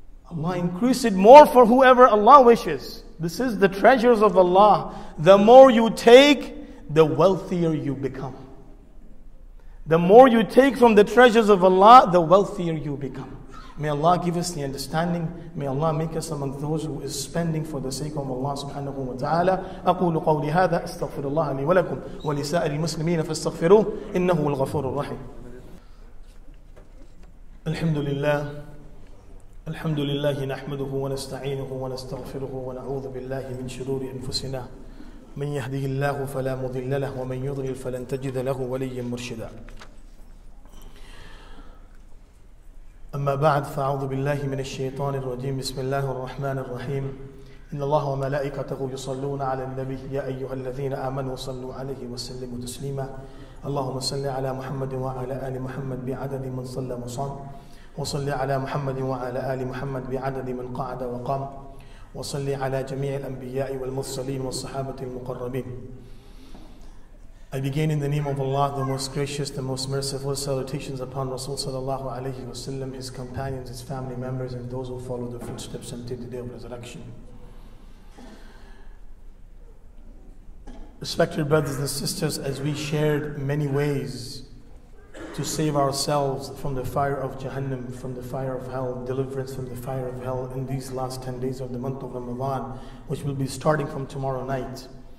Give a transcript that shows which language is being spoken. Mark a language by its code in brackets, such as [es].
[en] Allah increase it more for whoever Allah wishes. This is the treasures of Allah. The more you take, the wealthier you become. The more you take from the treasures of Allah, the wealthier you become. May Allah give us the understanding. May Allah make us among those who is spending for the sake of Allah subhanahu wa ta'ala. [ar] أقول قولي هذا استغفر الله لي ولكم ولسائر المسلمين فاستغفروه إنه الغفور الرحيم. الحمد لله. الحمد لله نحمده ونستعينه ونستغفره ونعوذ بالله من شرور أنفسنا من يهده الله فلا مضل له ومن يضلل فلن تجد له وليا مرشدا أما بعد فأعوذ بالله من الشيطان الرجيم بسم الله الرحمن الرحيم إن الله وملائكته يصلون على النبي يا أيها الذين آمنوا صلوا عليه وسلموا تسليما اللهم صل على محمد وعلى آل محمد بعدد من صلى وصام وصلي على محمد وعلى آل محمد بعدد من قعد وقام وصلي على جميع الأنبياء والمرسلين والصحابة المقربين. [en] I begin in the name of Allah, the most gracious, the most merciful. Salutations upon Rasul sallallahu alayhi wa sallam, his companions, his family members, and those who follow the footsteps until the day of resurrection. Respected brothers and sisters, as we shared many ways to save ourselves from the fire of Jahannam, from the fire of hell, deliverance from the fire of hell in these last 10 days of the month of Ramadan, which will be starting from tomorrow night.